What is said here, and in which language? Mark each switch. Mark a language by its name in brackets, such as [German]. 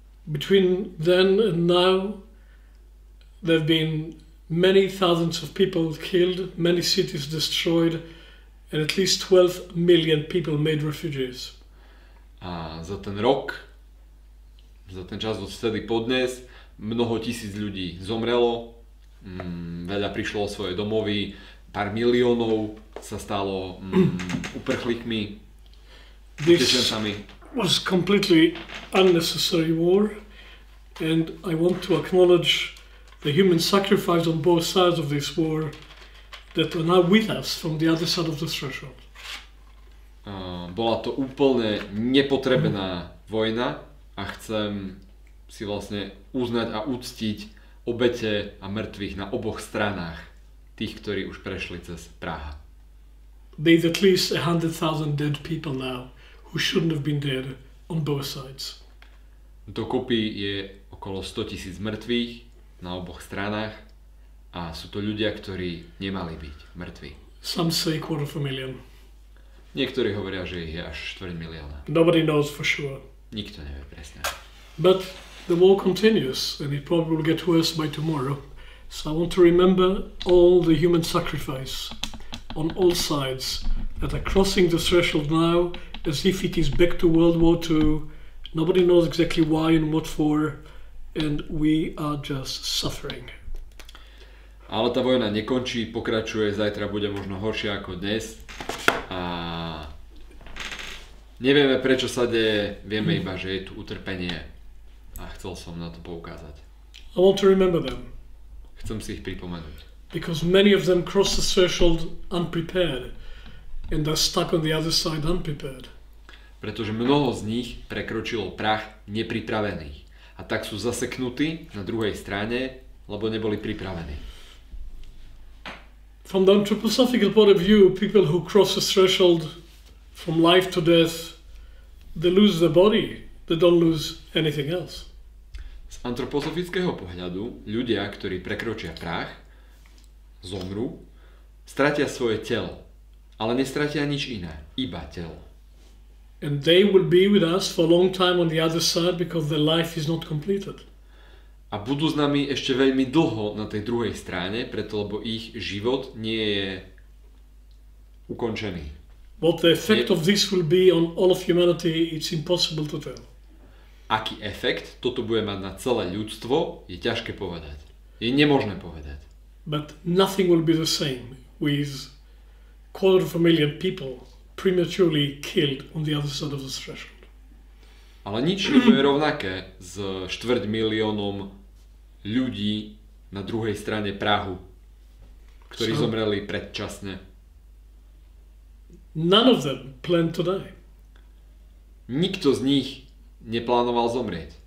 [English] Between then and now there have been many thousands of people killed, many cities destroyed, and at least 12 million people made refugees. [Slovak] A za ten rok, za ten čas od vtedy po dnes, mnoho tisíc ľudí zomrelo, veľa prišlo o svoje domovy, pár miliónov sa stalo uprchlíkmi, utečencami. [English] This was completely unnecessary war, and I want to acknowledge the human sacrifice on both sides of this war that are now with us from the other side of the threshold. [Slovak] Bola to úplne nepotrebná vojna a chcem si vlastne uznať a uctiť obete a mŕtvych na oboch stranách, tých, ktorí už prešli cez Praha. [English] There's at least 100,000 dead people now who shouldn't have been dead on both sides. [Slovak] Dokopy je okolo 100 tisíc mŕtvych na oboch stranách a sú to ľudia, ktorí nemali byť mŕtvi. [English] Some say quarter of a million. [Slovak] Niektorí hovoria, že ich je až štvrť milióna. [English] Nobody knows for sure. [Slovak] Nikto nevie presne. [English] But the war continues and it probably will get worse by tomorrow. So I want to remember all the human sacrifice on all sides that are crossing the threshold now as if it is back to World War II. Nobody knows exactly why and what for. And we are just suffering. [Slovak] Ale tá vojna nekončí, pokračuje, zajtra bude možno horšie ako dnes. A nevieme, prečo sa deje, vieme iba, že je tu utrpenie. A chcel som na to poukázať. [English] I want to remember them. [Slovak] Chcem si ich pripomenúť. [English] Because many of them cross the threshold unprepared. And are stuck on the other side unprepared. [Slovak] Pretože mnoho z nich prekročilo prach nepripravených. A tak sú zaseknutí na druhej strane, lebo neboli pripravení. [English] From the anthroposophical point of view, people who cross the threshold from life to death, they lose their body, they don't lose anything else. [Slovak] Z antroposofického pohľadu, ľudia, ktorí prekročia prach, zomru, stratia svoje telo, ale nestratia nič iné, iba telo. [English] And they will be with us for a long time on the other side because their life is not completed. [Slovak] A budú s nami ešte veľmi dlho na tej druhej strane, preto lebo ich život nie je ukončený. [English] What the effect of this will be on all of humanity, it's impossible to tell. [Slovak] Aký efekt toto bude mať na celé ľudstvo, je ťažké povedať. Je nemožné povedať. [English] But nothing will be the same with quarter of a million people prematurely killed on the other side of the threshold. [Slovak] Ale nič nebude rovnaké s štvrť miliónom ľudí na druhej strane Prahu, ktorí zomreli predčasne. [English] None of them planned to die. [Slovak] Nikto z nich neplánoval zomrieť.